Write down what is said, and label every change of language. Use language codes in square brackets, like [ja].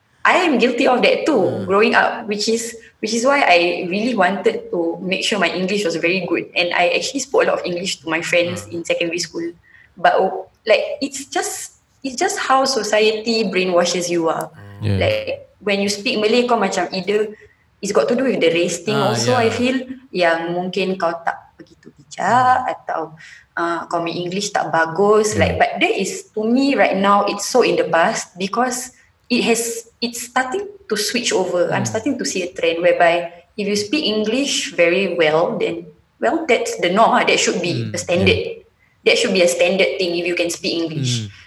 [en] I am guilty of that too growing up, which is why I really wanted to make sure my English was very good, and I actually spoke a lot of English to my friends in secondary school. But like it's just how society brainwashes you are. Like when you speak Malay, [ms] kau macam [en] either it's got to do with the race thing also. I feel [ms] yang mungkin kau tak begitu bijak atau kau punya English tak bagus. [en] Like, but that is to me right now, it's so in the past, because it's starting to switch over. I'm starting to see a trend whereby if you speak English very well, then well, that's the norm. That should be a standard. Yeah. That should be a standard thing if you can speak English.